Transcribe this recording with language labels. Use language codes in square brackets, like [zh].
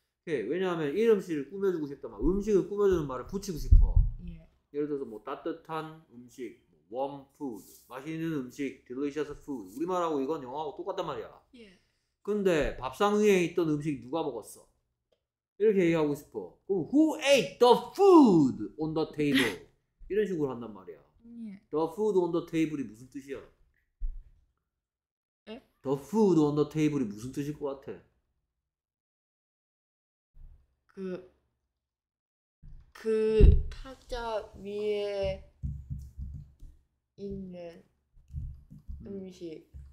[ko] 왜냐하면 이 음식을 꾸며주고 싶다 막 음식을 꾸며주는 말을 붙이고 싶어. 예를 들어서 뭐 따뜻한 음식 [en] warm food, [ko] 맛있는 음식, [en] delicious food. [ko] 우리말하고 이건 영어하고 똑같단 말이야. 근데 밥상 위에 있던 음식 누가 먹었어? 이렇게 얘기하고 싶어. 그럼 [en] who ate the food on the table? [ko] 이런 식으로 한단 말이야. [en] The food on the table이 [ko] 무슨 뜻이야? [en] The food on the table이 [ko] 무슨 뜻일 것 같아? 그 탁자 위에 있는 음식.